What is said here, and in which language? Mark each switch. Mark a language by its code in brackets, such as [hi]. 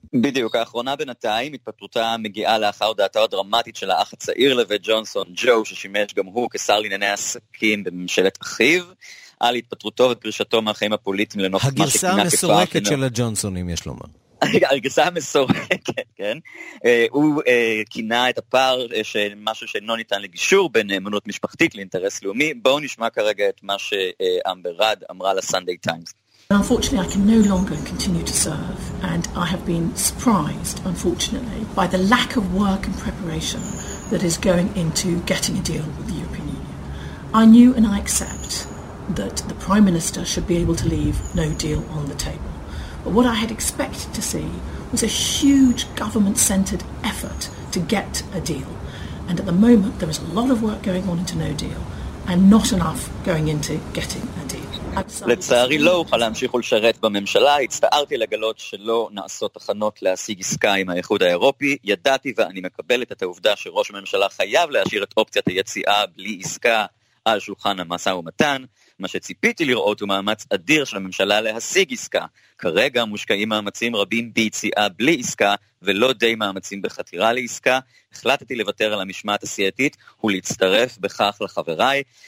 [he] בדיוק, האחרונה בינתיים, התפטרותה מגיעה לאחר דעתו הדרמטית של האח הצעיר לבית ג'ונסון, ג'ו, ששימש גם הוא כשר לענייני עסקים בממשלת אחיו, על התפטרותו ופרישתו מהחיים הפוליטיים לנוכח מה שקינה כפה. הגרסה המסורקת של הג'ונסונים, יש לומר. הרגסה המסורקת, כן, הוא קינה את הפער של משהו שאינו ניתן לגישור בין נאמנות משפחתית לאינטרס לאומי. בואו נשמע כרגע את מה שאמבר רד אמרה לסנדיי טיימס. [en] Unfortunately, I can no longer continue to serve, and I have been surprised, unfortunately, by the lack of work and preparation that is going into getting a deal with the European Union. I knew and I accept that the Prime Minister should be able to leave no deal on the table. But what I had expected to see was a huge government-centered effort to get a deal. And at the moment, there is a lot of work going on into no deal and not enough going into getting a deal. [he] לצערי לא אוכל להמשיך ולשרת בממשלה, הצטערתי לגלות שלא נעשות תחנות להשיג עסקה עם האיחוד האירופי, ידעתי ואני מקבלת את העובדה שראש הממשלה חייב להשאיר את אופציית היציאה בלי עסקה על שולחן המסע ומתן, מה שציפיתי לראות הוא מאמץ אדיר של הממשלה להשיג עסקה, כרגע מושקעים מאמצים רבים ביציאה בלי עסקה ולא די מאמצים בחתירה לעסקה, החלטתי לוותר על המשמעת הסיעתית ולהצטרף בכך לחבריי,